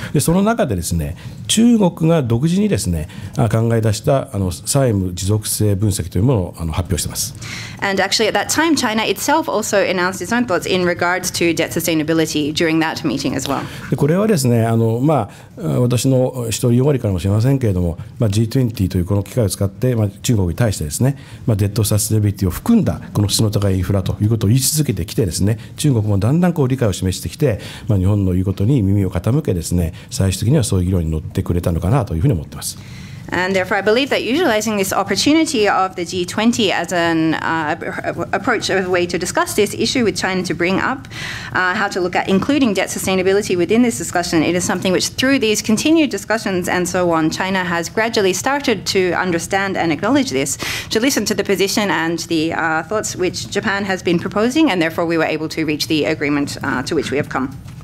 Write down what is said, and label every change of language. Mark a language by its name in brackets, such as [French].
[Japanese] で、その中でですね、中国が独自にですね、考え出した債務持続性分析というものを発表しています。 [English] And actually at that time, China itself also announced its own thoughts in regards to debt sustainability during that meeting as well. [Japanese] で、これはですね、私の一人よがりからもしれませんけれども、G20 というこの機会を使って、中国に対してですね、デットサステナビリティを含んだこの質問の高いインフラということを言い続けてきてですね、中国もだんだんこう理解を示してきて、まあ、日本の言うことに耳を傾けですね、最終的にはそういう議論に乗ってくれたのかなというふうに思っています。 [English] And therefore, I believe that utilizing this opportunity of the G20 as an approach of a way to discuss this issue with China to bring up how to look at including debt sustainability within this discussion, it is something which through these continued discussions and so on, China has gradually started to understand and acknowledge this, to listen to the position and the thoughts which Japan has been proposing, and therefore we were able to reach the agreement to which we have come.